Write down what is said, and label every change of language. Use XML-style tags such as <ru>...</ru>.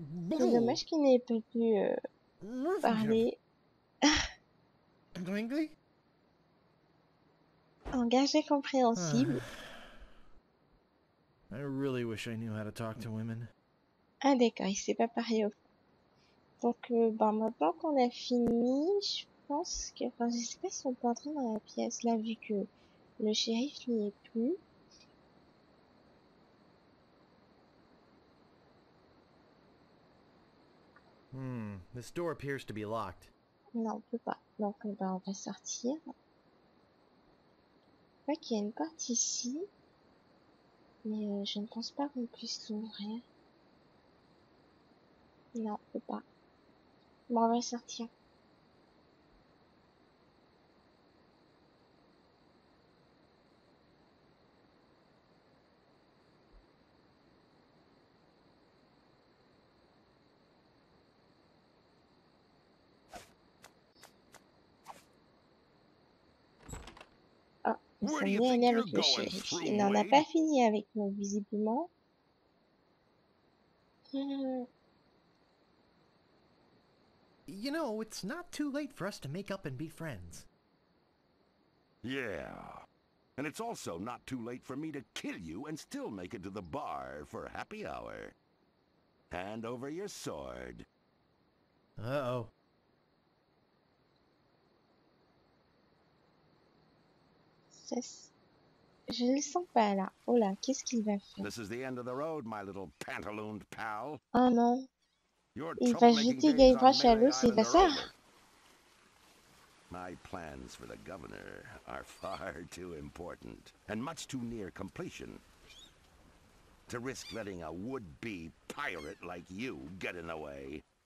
<fr>C'est dommage qu'il n'ait pas pu parler. Langage incompréhensible.</fr> <en>I really wish I knew how to talk to women.</en> <fr>Ah d'accord, il sait pas parler. Donc, bah, maintenant qu'on a fini, je pense que... Enfin, je sais pas si on peut entrer dans la pièce, là, vu que le shérif n'y est plus.</fr> <en>Hmm, this door appears to be locked.</en> <fr>Non, on peut pas. Donc, bah, on va sortir. Je crois qu'il y a une porte ici. Mais je ne pense pas qu'on puisse l'ouvrir. Non, on peut pas. Bon, on va sortir. Ah, oh, on s'est mis avec le shérif. Il n'en a pas fini avec nous, visiblement.</fr> <en>You know, it's not too late for us to make up and be friends. Yeah. And it's also not too late for me to kill you and still make it to the bar for happy hour. Hand over your sword. Uh-oh.</en> <fr>Je le sens pas là. Oh là, qu'est-ce qu'il va faire?</fr> <en>This is the end of the road, my little pantalooned pal.</en> <fr>Oh non. Il va jeter Guybrush à l'eau, c'est pas ça?</fr> <en>My plans for the governor are far too important and much too near completion to risk letting a would-be pirate like you get in the way.</en>